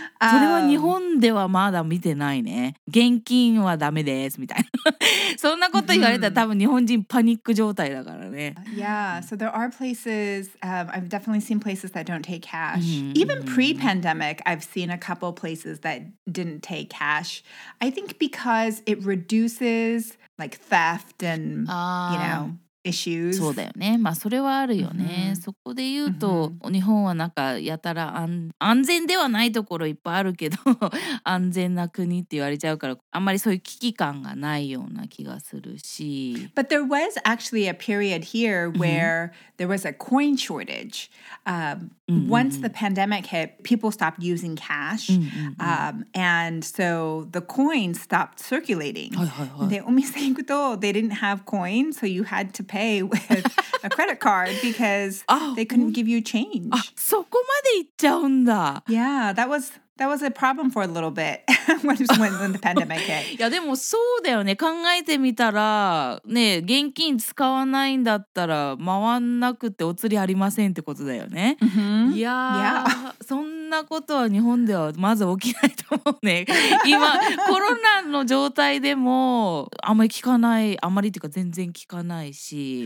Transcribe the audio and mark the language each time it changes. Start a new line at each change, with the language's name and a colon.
Japanese: それは日本ではまだ見てないね。現金はダメですみたいな。そんなこと言われたら多分日本人パニック状態だからね。
English: Yeah, so there are places, I've definitely seen places that don't take cash. Even pre-pandemic, I've seen a couple places that didn't take cash. I think because it reduces like theft and, you know,issues.
Japanese: そうだよね。まあそれはあるよね。Mm-hmm. そこで言うと、mm-hmm. 日本はなんかやたら安全ではないところいっぱいあるけど、安全な国って言われちゃうから、あんまりそういう危機感がないような気がするし。
English: But there was actually a period here where there was a coin shortage. Once the pandemic hit, people stopped using cash. And so the coins stopped circulating.
Japanese: はいはいはい。で、お店行くと、
English: they didn't have coins, so you had to pay with a credit card because they couldn't give you change.
Japanese: あ、そこまで行っちゃうんだ。
English: Yeah, that was a problem for a little bit when the pandemic hit.
Japanese: いやでもそうだよね。考えてみたらね、現金使わないんだったら回んなくてお釣りありませんってことだよね。 Mm-hmm. いやー、yeah. そんなことは日本ではまず起きないと思うね。今コロナの状態でもあんまり聞かない、あんまりっていうか全然聞かないし。